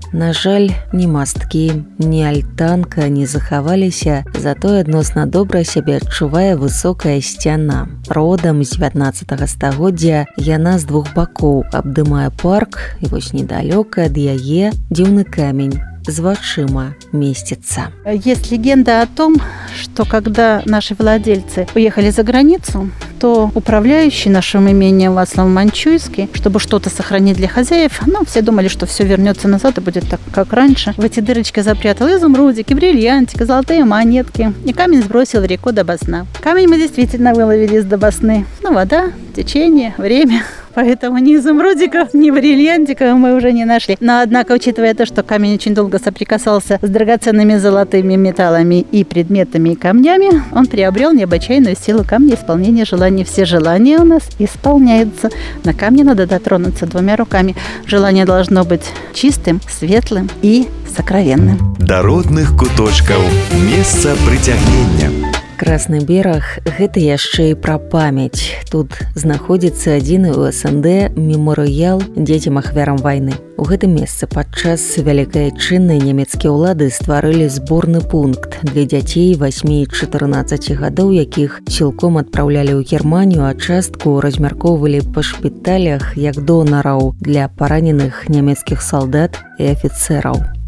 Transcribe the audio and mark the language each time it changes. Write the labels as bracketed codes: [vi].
[be] На жаль, ні масткі, ні альтанка не захаваліся, зато адносна добра сябе адчувае высокая сцяна. Родам з 19-га стагоддзя яна з 2 бакоў абдымае парк, і вось недалёка ад яе дзіўны камень з вачыма месціцца. Ёсць легенда [ru] о том, што когда нашы владельцы уехалі за границу, то управляющий нашим имением Вацлав Манчуйский, чтобы что-то сохранить для хозяев, ну, все думали, что все вернется назад и будет так, как раньше. В эти дырочки запрятал изумрудики, бриллиантики, золотые монетки. И камень сбросил в реку до Басна. Камень мы действительно выловили из до Басны. Ну, вода, течение, время. поэтому ни изумрудиков, ни бриллиантиков мы уже не нашли. Но, однако, учитывая то, что камень очень долго соприкасался с драгоценными золотыми металлами и предметами и камнями, он приобрел необычайную силу камня исполнения желаний. Все желания у нас исполняются. На камне надо дотронуться двумя руками. Желание должно быть чистым, светлым и сокровенным. [be] До родных куточков место притягнення. Красны бераг – гэта яшчэ і пра памяць. Тут знаходзіцца адзіны ў СНД мемарыял дзецям ахвярам вайны. У гэтым месцы падчас вялікай айчыннай нямецкія ўлады стварылі зборны пункт для дзяцей 8 і 14 гадоў, якіх цілком адпраўлялі ў Германію, а частку размяркоўвалі па шпіталях як донараў для параненых нямецкіх салдат і афіцэраў.